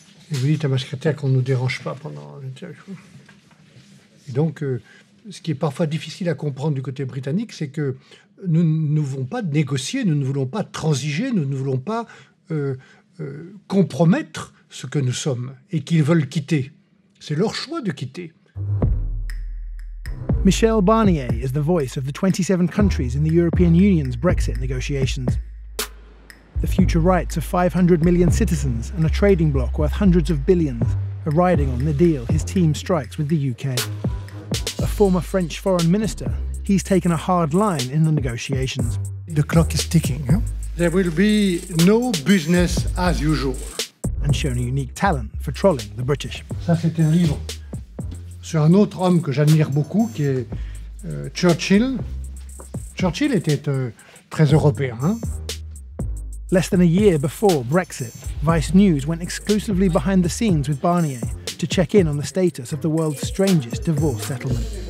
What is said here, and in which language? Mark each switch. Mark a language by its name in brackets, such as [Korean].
[French] Et vous dites à ma secrétaire qu'on ne nous dérange pas pendant l'interview. Et donc, ce qui est parfois difficile à comprendre du côté britannique, c'est que nous ne voulons pas négocier, nous ne voulons pas transiger, nous ne voulons pas compromettre ce que nous sommes et qu'ils veulent quitter. C'est leur choix de quitter. [English] Michel Barnier is the voice of the 27 countries in the European Union's Brexit negotiations. The future rights of 500 million citizens and a trading bloc worth hundreds of billions are riding on the deal his team strikes with the UK. A former French foreign minister, he's taken a hard line in the negotiations. The clock is ticking, huh? There will be no business as usual. And shown a unique talent for trolling the British. [French] Ça, c'est un livre sur un autre homme que j'admire beaucoup, qui est Churchill. Churchill était très européen, hein? [English] Less than a year before Brexit, Vice News went exclusively behind the scenes with Barnier to check in on the status of the world's strangest divorce settlement.